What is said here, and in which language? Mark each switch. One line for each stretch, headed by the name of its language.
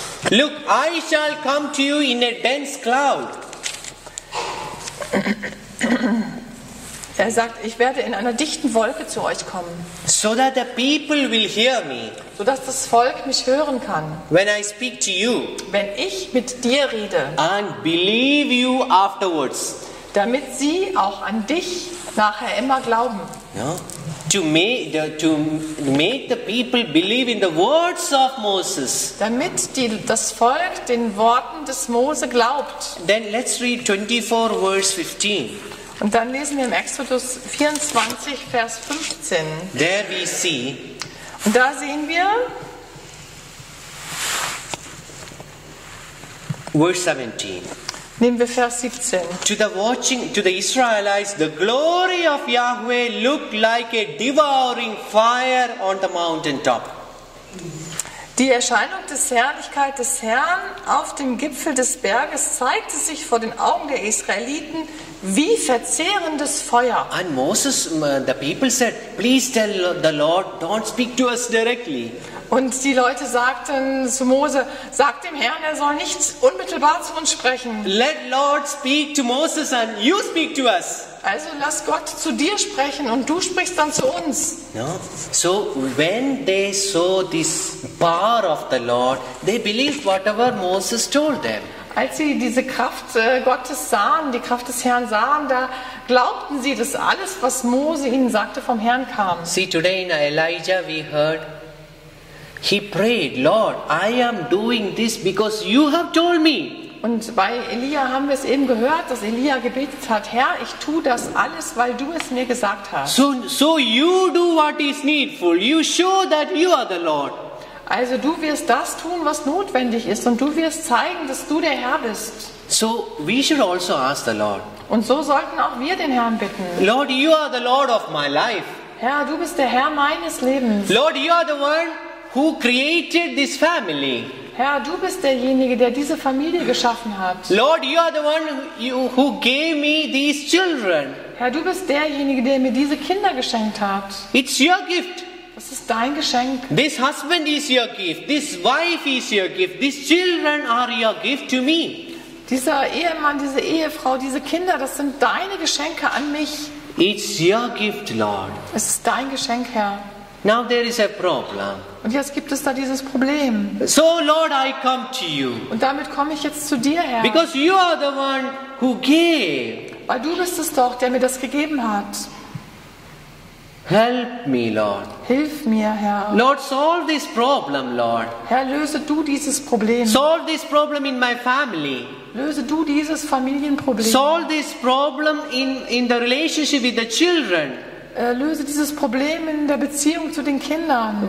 English: Look, I shall come to you in a dense cloud.
German: Er sagt, ich werde in einer dichten Wolke zu euch kommen.
English: So that the people will hear me.
German: So dass das Volk mich hören kann.
English: When I speak to you.
German: Wenn ich mit dir rede.
English: And believe you afterwards.
German: Damit sie auch an dich nachher immer glauben.
English: No? To make the people believe in the words of Moses.
German: Damit das Volk den Worten des Mose glaubt.
English: Then let's read 24 verse 15.
German: Und dann lesen wir im Exodus 24, Vers 15.
English: There we see.
German: Und da sehen wir.
English: Verse 17.
German: Nehmen wir Vers 17.
English: To the Israelites, the glory of Yahweh looked like a devouring fire on the mountaintop.
German: Die Erscheinung des Herrlichkeit des Herrn auf dem Gipfel des Berges zeigte sich vor den Augen der Israeliten wie verzehrendes Feuer.
English: And Moses, the people said, please tell the Lord, don't speak to us directly.
German: Und die Leute sagten zu Mose, sag dem Herrn, er soll nicht unmittelbar zu uns sprechen.
English: Let Lord speak to Moses and you speak to us.
German: Also lass Gott zu dir sprechen und du sprichst dann zu uns.
English: No. So when they saw this power of the Lord, they believed whatever Moses told them.
German: Als sie diese Kraft Gottes sahen, die Kraft des Herrn sahen, da glaubten sie, dass alles, was Mose ihnen sagte, vom Herrn kam.
English: See, today in Elijah we heard, he prayed, Lord, I am doing this because you have told me.
German: Und bei Elia haben wir es eben gehört, dass Elia gebetet hat, Herr, ich tue das alles, weil du es mir gesagt hast.
English: So you do what is needful. You show that you are the Lord.
German: Also du wirst das tun, was notwendig ist und du wirst zeigen, dass du der Herr bist.
English: So we should also ask the Lord.
German: Und so sollten auch wir den Herrn bitten.
English: Lord, you are the Lord of my life.
German: Herr, du bist der Herr meines Lebens.
English: Lord, you are the one who created this family.
German: Herr, du bist derjenige, der diese Familie geschaffen hat.
English: Lord, you are the one who gave me these children.
German: Herr, du bist derjenige, der mir diese Kinder geschenkt hat.
English: It's your gift.
German: Das ist dein Geschenk.
English: This husband is your gift. This wife is your gift. These children are your gift to me.
German: Dieser Ehemann, diese Ehefrau, diese Kinder, das sind deine Geschenke an mich.
English: It's your gift, Lord.
German: Es ist dein Geschenk, Herr.
English: Now there is a problem.
German: Und jetzt gibt es da dieses Problem.
English: So, Lord, I come to you.
German: Und damit komme ich jetzt zu dir, Herr.
English: Because you are the one who gave.
German: Weil du bist es doch, der mir das gegeben hat.
English: Help me, Lord.
German: Hilf mir, Herr.
English: Lord, solve this problem, Lord.
German: Herr, löse du dieses Problem.
English: Solve this problem in my family.
German: Löse du dieses Familienproblem.
English: Solve this problem in the relationship with the children.
German: Löse dieses Problem in der Beziehung zu den Kindern.